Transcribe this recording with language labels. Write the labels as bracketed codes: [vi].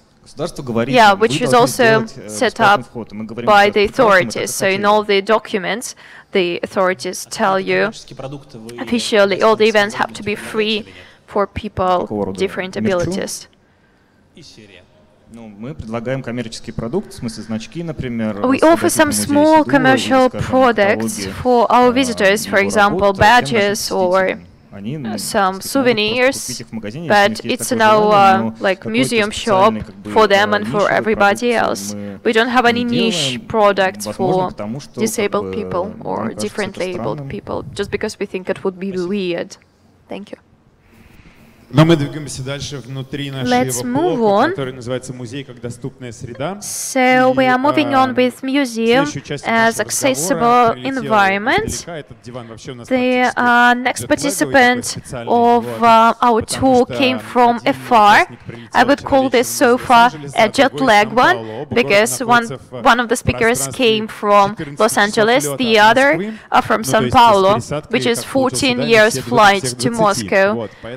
[en] Yeah, which is also set up by the authorities. So in all the documents, the authorities tell you officially all the events have to be free for people with different abilities. [ru] Ну, мы предлагаем коммерческий продукт, в смысле значки, например. [en] We offer some small commercial products for our visitors, for example, badges or some souvenirs, but it's in our like museum shop for them and for everybody else. We don't have any niche products for disabled people or differently abled people, just because we think it would be weird. Thank you. [ru] Но мы двигаемся дальше внутри нашего блока, который называется «Музей как доступная среда». [en] So we are moving on with museum as accessible environment. The next participant of our tour came from afar. I would call this sofa a jet lag one, because one of the speakers came from Los Angeles, the other from São Paulo, which is 14 years flight to Moscow.